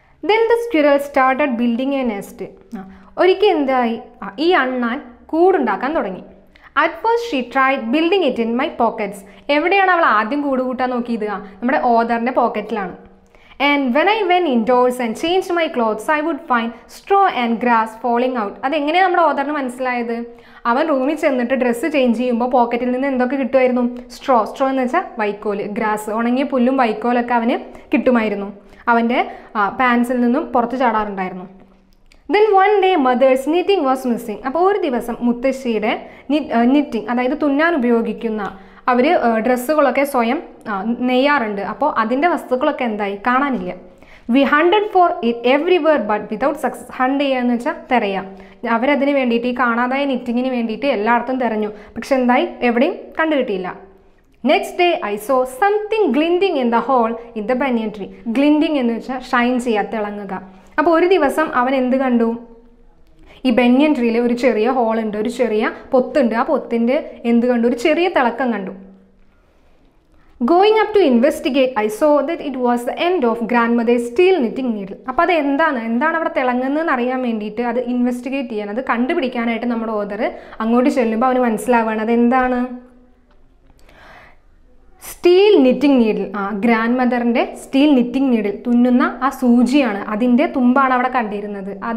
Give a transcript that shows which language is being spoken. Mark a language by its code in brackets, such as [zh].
[en] Then the squirrel started building a nest. [ml] ഒരിക്കൽ എന്തായി, ഈ അണ്ണാൻ കൂടുണ്ടാക്കാൻ തുടങ്ങി. [en] At first she tried building it in my pockets. [ml] എവിടെയാണ് അവൾ ആദ്യം കൂട് കൂട്ടാൻ നോക്കിയത്? നമ്മുടെ ഓദറിൻ്റെ പോക്കറ്റിലാണ്. [en] And when I went indoors and changed my clothes, I would find straw and grass falling out. [ml] അതെങ്ങനെയാണ് നമ്മുടെ ഓദറിന് മനസ്സിലായത്? അവൻ റൂമിൽ ചെന്നിട്ട് ഡ്രസ്സ് ചേഞ്ച് ചെയ്യുമ്പോൾ പോക്കറ്റിൽ നിന്ന് എന്തൊക്കെ കിട്ടുമായിരുന്നു? സ്ട്രോ. സ്ട്രോ എന്ന് വെച്ചാൽ വൈക്കോല്, ഗ്രാസ്, ഉണങ്ങിയ പുല്ലും വൈക്കോലൊക്കെ അവന് കിട്ടുമായിരുന്നു. അവൻ്റെ പാൻസിൽ നിന്നും പുറത്ത് ചാടാറുണ്ടായിരുന്നു. [en] Then one day mother's knitting was missing. [ml] അപ്പോൾ ഒരു ദിവസം മുത്തശ്ശിയുടെ നിറ്റിംഗ്, അതായത് തുന്നാൻ ഉപയോഗിക്കുന്ന, അവർ ഡ്രസ്സുകളൊക്കെ സ്വയം നെയ്യാറുണ്ട്, അപ്പോൾ അതിൻ്റെ വസ്തുക്കളൊക്കെ എന്തായി? കാണാനില്ല. [en] We hunted for it everywhere but without success. [ml] Hunt ചെയ്യുകയെന്ന് വെച്ചാൽ തിരയുക. അവരതിന് വേണ്ടിയിട്ട് ഈ കാണാതായ നിറ്റിങ്ങിന് വേണ്ടിയിട്ട് എല്ലായിടത്തും തിരഞ്ഞു, പക്ഷെ എന്തായി, എവിടെയും കണ്ടുകിട്ടിയില്ല. [en] Next day I saw something glinting in the hole in the banyan tree. [ml] ഗ്ലിൻഡിങ് എന്ന് വെച്ചാൽ ഷൈൻ ചെയ്യാത്ത, തിളങ്ങുക. അപ്പോൾ ഒരു ദിവസം അവൻ എന്ത് കണ്ടു? ഈ ബനിയൻ ട്രീയിൽ ഒരു ചെറിയ ഹോളുണ്ട്, ഒരു ചെറിയ പൊത്തുണ്ട്. ആ പൊത്തിൻ്റെ എന്ത് കണ്ടു? ഒരു ചെറിയ തിളക്കം കണ്ടു. [en] Going up to investigate, I saw that it was the end of grandmother's steel knitting needle. [ml] അപ്പോൾ അത് എന്താണ്, എന്താണ് അവിടെ തിളങ്ങുന്നതെന്ന് അറിയാൻ വേണ്ടിയിട്ട് അത് ഇൻവെസ്റ്റിഗേറ്റ് ചെയ്യാൻ, അത് കണ്ടുപിടിക്കാനായിട്ട് നമ്മുടെ ഓദർ അങ്ങോട്ട് ചെല്ലുമ്പോൾ അവന് മനസ്സിലാവുകയാണ് അതെന്താണ്. സ്റ്റീൽ നിറ്റിംഗ് നീഡിൽ, ആ ഗ്രാൻഡ്മദറിൻ്റെ സ്റ്റീൽ നിറ്റിംഗ് നീഡിൽ, തുന്നുന്ന ആ സൂചിയാണ്, അതിൻ്റെ തുമ്പാണ് അവിടെ കണ്ടിരുന്നത്.